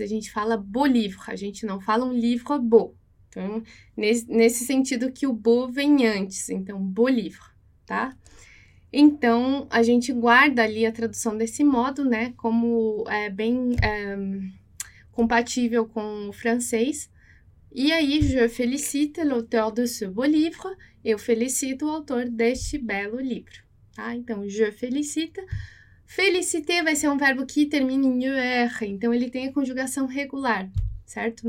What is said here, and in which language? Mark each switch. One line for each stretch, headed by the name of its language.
Portuguese: A gente fala beau livre, a gente não fala um livre beau. Então, nesse sentido que o beau vem antes. Então, beau livre, tá? Então, a gente guarda ali a tradução desse modo, né? Como é bem compatível com o francês.
French: E aí, je félicite l'auteur de ce beau livre.
Portuguese: Eu felicito o autor deste belo livro. Tá? Então,
French: je félicite.
Portuguese: Féliciter vai ser um verbo que termina em er. Então, ele tem a conjugação regular, certo?